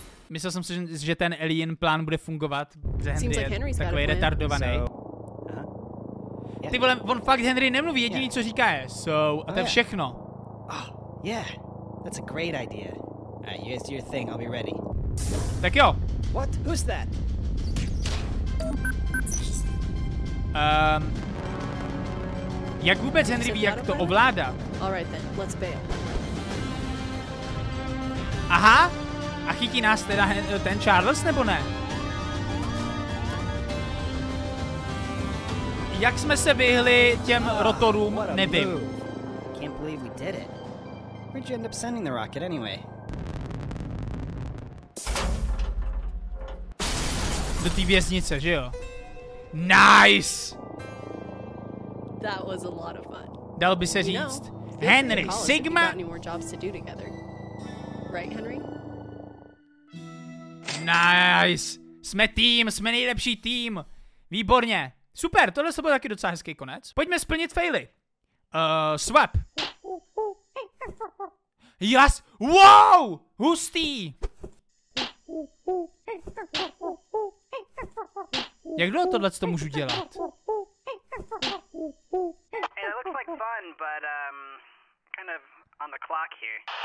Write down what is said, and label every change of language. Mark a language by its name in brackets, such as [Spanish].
[Czech] Myslel jsem si, že ten alien plán bude fungovat, že Henry je takový retardovaný. Ty vole, on fakt Henry nemluví, jediný co říká je so, a to je všechno. [English] Oh, yeah, that's a great idea. Alright, you guys do your thing, I'll be ready. [Czech] Tak jo. [English] What? Who's that? [Czech] Jak vůbec Henry ví, jak to ovládat? [English] Alright then, let's bail. [Czech] Aha, a chytí nás teda ten Charles, nebo ne? jak jsme se vyhli těm rotorům, nevím. [English] Can't believe we did it. Where'd you end up sending the rocket anyway? [Czech] Do té věznice, že jo? Nice! [English] That was a lot of fun. [Czech] Dal by se říct. Henry, Sigma! [English] We've got any more jobs to do together. Right, Henry? Nice! [Czech] Jsme tým, jsme nejlepší tým! Výborně! Super, tohle se bude taky docela hezký konec. Pojďme splnit faily. Swap. [English] Yes! Wow! Hustý! [Czech] Jak dlouho tohle to můžu dělat? [English] Hey, that looks like fun, but kind of on the clock here.